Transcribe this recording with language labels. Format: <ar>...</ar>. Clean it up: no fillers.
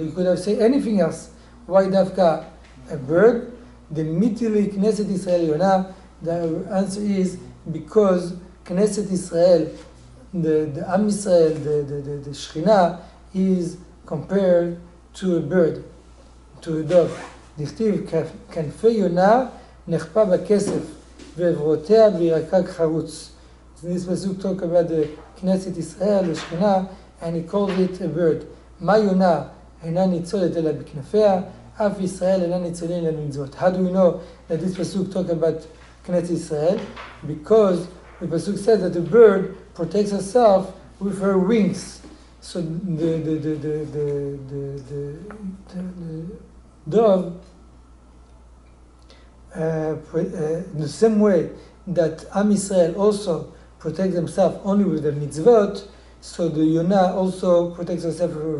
<en>He could have said anything else. Why Dafka, a bird? The Mitili Knesset Israel Yona, the answer is because Knesset Israel, the Am Israel, the Shechina, is compared to a bird, to a dove.</en> <he>Dichtiv Kanfei Yona, נחפה בכסף, ועברותיה בירקק חרוץ.</he> <en>This pasuk talk about the Knesset Israel, the Shekhinah, and he called it a bird.</en> <he>מה יונה אינה ניצולת אלא בכנפיה, אף ישראל אינה ניצולים אלא במצוות.</he> <en>How do we know that this pasuk talk about Knesset Israel? Because the pasuk says that the bird protects herself with her wings. So the dove, in the same way that Am Yisrael also protects themselves only with the mitzvot, so the Yonah also protects herself</en>